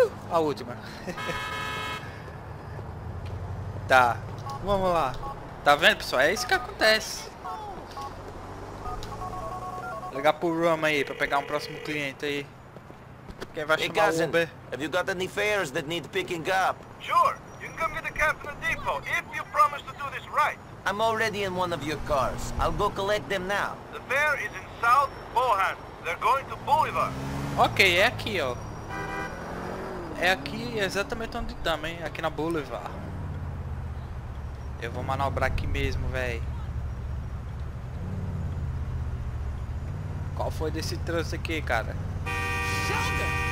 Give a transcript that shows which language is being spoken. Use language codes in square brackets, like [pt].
[pt] A última. Tá, vamos lá. Tá vendo, pessoal? É isso que acontece. Vou ligar pro Rum aí pra pegar um próximo cliente aí. Quem vai chamar o Uber? [en] Have you got any fares that need picking up? Sure. You can come get a cab from the depot, if you promise to do this right. I'm already in one of your cars. I'll go collect them now. The fair is in South Bohan. They're going to Boulevard. [pt] Ok, é aqui, ó. É aqui exatamente onde estamos, hein? Aqui na Boulevard. Eu vou manobrar aqui mesmo, velho. Qual foi desse trânsito aqui, cara? Shonda!